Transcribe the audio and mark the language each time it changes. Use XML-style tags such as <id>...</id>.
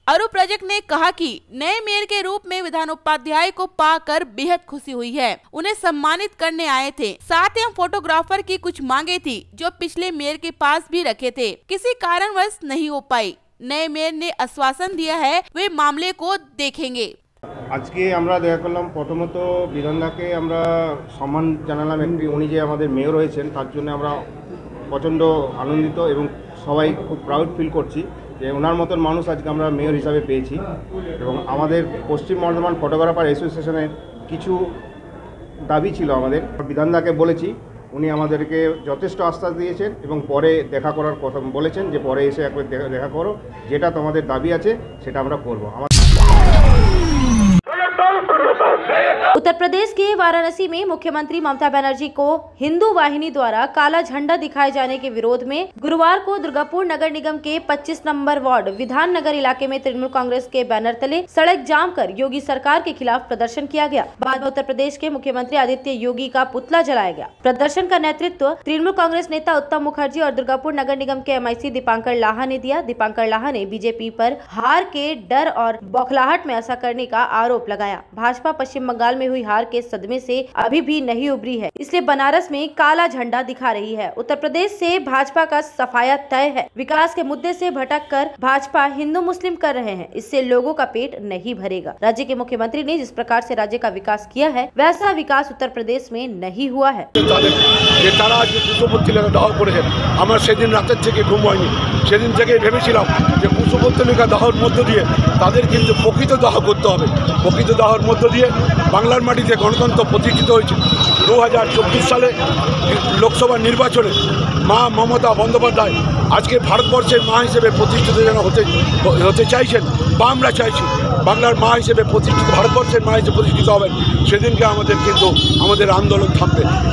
<hi>अरूप रजक ने कहा कि नए मेयर के रूप में विधान उपाध्याय को पाकर बेहद खुशी हुई है, उन्हें सम्मानित करने आए थे। साथ ही हम फोटोग्राफर की कुछ मांगे थी जो पिछले मेयर के पास भी रखे थे, किसी कारणवश नहीं हो पाई। नए मेयर ने आश्वासन दिया है वे मामले को देखेंगे।</hi> <bn>আজকে আমরা দেখা করলাম, প্রথমত বিধানদাকে আমরা সম্মান জানালাম, একটি উনি যে আমাদের মেয়র হয়েছেন তার জন্য আমরা প্রচণ্ড আনন্দিত এবং সবাই খুব প্রাউড ফিল করছি যে ওনার মতন মানুষ আজকে আমরা মেয়র হিসাবে পেয়েছি। এবং আমাদের পশ্চিম বর্ধমান ফটোগ্রাফার অ্যাসোসিয়েশনের কিছু দাবি ছিল আমাদের, বিধানদাকে বলেছি, উনি আমাদেরকে যথেষ্ট আশ্বাস দিয়েছেন এবং পরে দেখা করার কথা বলেছেন যে পরে এসে একবার দেখা করো, যেটা তোমাদের দাবি আছে সেটা আমরা করবো।</bn> <hi>उत्तर प्रदेश के वाराणसी में मुख्यमंत्री ममता बनर्जी को हिंदू वाहिनी द्वारा काला झंडा दिखाए जाने के विरोध में गुरुवार को दुर्गापुर नगर निगम के 25 नंबर वार्ड विधान नगर इलाके में तृणमूल कांग्रेस के बैनर तले सड़क जाम कर योगी सरकार के खिलाफ प्रदर्शन किया गया। बाद में उत्तर प्रदेश के मुख्यमंत्री आदित्य योगी का पुतला जलाया गया। प्रदर्शन का नेतृत्व तृणमूल कांग्रेस नेता उत्तम मुखर्जी और दुर्गापुर नगर निगम के MIC दीपांकर लाहा ने दिया। दीपांकर लाहा ने BJP पर हार के डर और बौखलाहट में ऐसा करने का आरोप लगाया। भाजपा पश्चिम बंगाल में हुई हार के सदमे से अभी भी नहीं उभरी है, इसलिए बनारस में काला झंडा दिखा रही है। उत्तर प्रदेश से भाजपा का सफाया तय है, विकास के मुद्दे से भटक कर भाजपा हिंदू मुस्लिम कर रहे हैं, इससे लोगों का पेट नहीं भरेगा। राज्य के मुख्यमंत्री ने जिस प्रकार से राज्य का विकास किया है वैसा विकास उत्तर प्रदेश में नहीं हुआ है।</hi> <bn>আমার সেদিন রাতের থেকে ঘুম হয়নি, সেদিন থেকেই ভেবেছিলাম যে কুশপত্তলিকা দাহর মধ্য দিয়ে তাদের কিন্তু প্রকৃত দাহ করতে হবে। প্রকৃত দাহর মধ্য দিয়ে বাংলার মাটিতে গণতন্ত্র প্রতিষ্ঠিত হয়েছে। 2024 সালে লোকসভা নির্বাচনে মা মমতা বন্দ্যোপাধ্যায় আজকে ভারতবর্ষের মা হিসেবে প্রতিষ্ঠিত যেন হতে চাইছেন, বা আমরা চাইছি বাংলার মা হিসেবে প্রতিষ্ঠিত, ভারতবর্ষের মা হিসেবে প্রতিষ্ঠিত হবেন, সেদিনকে আমাদের কিন্তু আমাদের আন্দোলন থামবে।</bn>